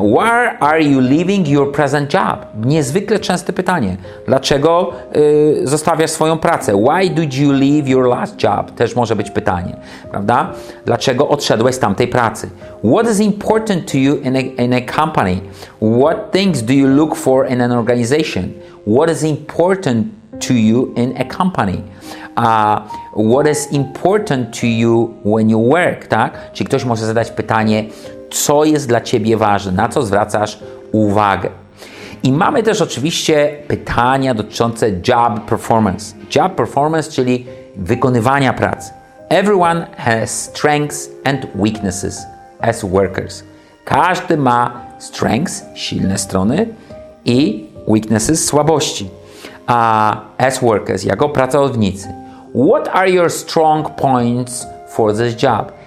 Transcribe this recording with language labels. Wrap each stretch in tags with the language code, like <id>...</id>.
<en>Where are you leaving your present job?</en> <pl>Niezwykle częste pytanie. Dlaczego zostawiasz swoją pracę?</pl> <en>Why did you leave your last job?</en> <pl>Też może być pytanie. Prawda? Dlaczego odszedłeś z tamtej pracy?</pl> <en>What is important to you in a company? What things do you look for in an organization? What is important to you in a company? What is important to you when you work?</en> <pl>Tak? Czyli ktoś może zadać pytanie, co jest dla Ciebie ważne, na co zwracasz uwagę. I mamy też oczywiście pytania dotyczące job performance. Job performance, czyli wykonywania pracy.</pl> <en>Everyone has strengths and weaknesses as workers.</en> <pl>Każdy ma strengths, silne strony, i weaknesses, słabości.</pl> <en>As workers,</en> <pl>jako pracownicy.</pl> <en>What are your strong points for this job?</en>